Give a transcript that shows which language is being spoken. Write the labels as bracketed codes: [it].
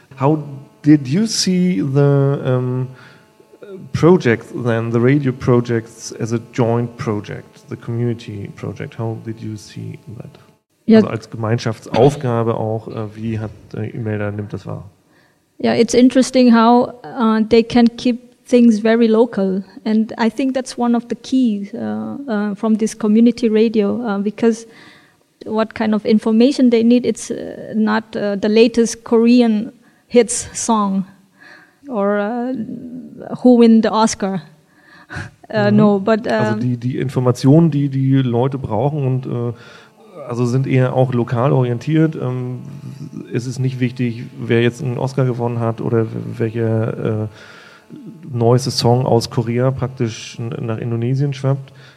[en] How did you see the project then, the radio projects as a joint project, the community project? How did you see that? [de] Also als Gemeinschaftsaufgabe auch, wie hat Imelda nimmt das wahr? [en] Yeah, it's interesting how they can keep things very local. And I think that's one of the keys from this community radio, because what kind of information they need, it's not the latest Korean hits song or who win the Oscar. [de] Also die Informationen, die die Leute brauchen und also sind eher auch lokal orientiert. Es ist nicht wichtig, wer jetzt einen Oscar gewonnen hat oder welcher neueste Song aus Korea praktisch nach Indonesien schwappt.